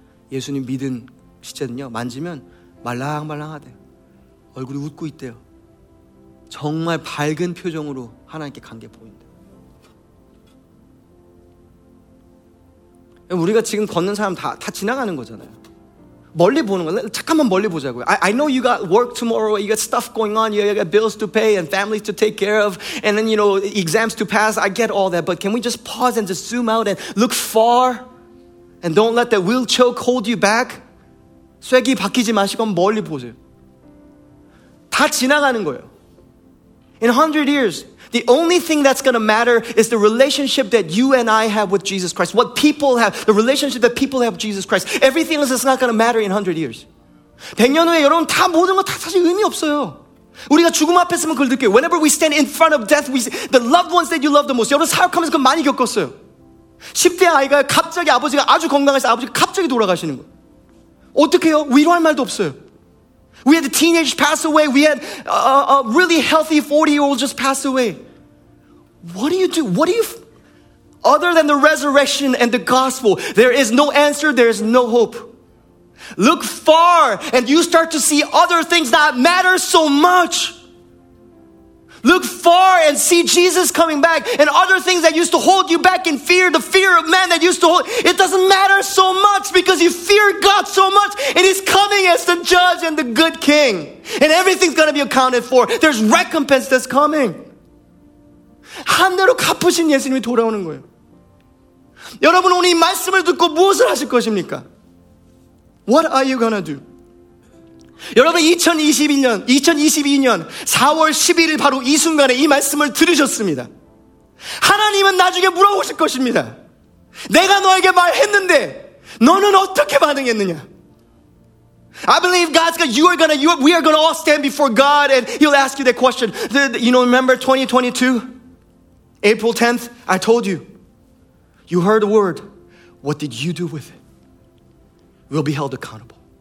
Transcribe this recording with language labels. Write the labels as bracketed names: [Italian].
[Korean] 예수님 믿은 시체는요, 만지면 말랑말랑하대요. 얼굴이 웃고 있대요. 정말 밝은 표정으로 하나님께 간 게 보인대요. 우리가 지금 걷는 사람 다 지나가는 거잖아요. 멀리 보는 거. 잠깐만 멀리 보자고요. [English] I know you got work tomorrow. You got stuff going on. You got bills to pay and families to take care of. And then, you know, exams to pass. I get all that. But can we just pause and just zoom out and look far? And don't let that wheel choke hold you back. [Korean] 쇠기 박히지 마시고 멀리 보세요. 다 지나가는 거예요. [English] In 100 years, the only thing that's going to matter is the relationship that you and I have with Jesus Christ. What people have, the relationship that people have with Jesus Christ. Everything else is not going to matter in 100 years. [Korean] 100년 후에 여러분 다 모든 거 다 사실 의미 없어요. 우리가 죽음 앞에 있으면 그걸 느껴요. [English] Whenever we stand in front of death, we see the loved ones that you love the most. [Korean] 여러분 사역하면서 그 많이 겪었어요. 10대 아이가 갑자기 아버지가 아주 건강해서 아버지가 갑자기 돌아가시는 거. 어떡해요? 위로할 말도 없어요. [English] We had a teenager pass away. We had a really healthy 40-year-old just pass away. What do you do? What do you... Other than the resurrection and the gospel, there is no answer. There is no hope. Look far and you start to see other things that matter so much. Look far and see Jesus coming back and other things that used to hold you back in fear, the fear of man that used to hold, it doesn't matter so much because you fear God so much and he's coming as the judge and the good king and everything's going to be accounted for. There's recompense that's coming. [Korean] 한 대로 갚으신 예수님이 돌아오는 거예요. 여러분 오늘 이 말씀을 듣고 무엇을 하실 것입니까? [English] What are you going to do? [Korean] 여러분 2022년 4월 11일 바로 이 순간에 이 말씀을 들으셨습니다. 하나님은 나중에 물어보실 것입니다. 내가 너에게 말했는데 너는 어떻게 반응했느냐? [English] I believe God's gonna, you are gonna, you are, we are gonna all stand before God and he'll ask you that question. You know, remember 2022? April 10th, I told you. You heard a word. What did you do with it? We'll be held accountable.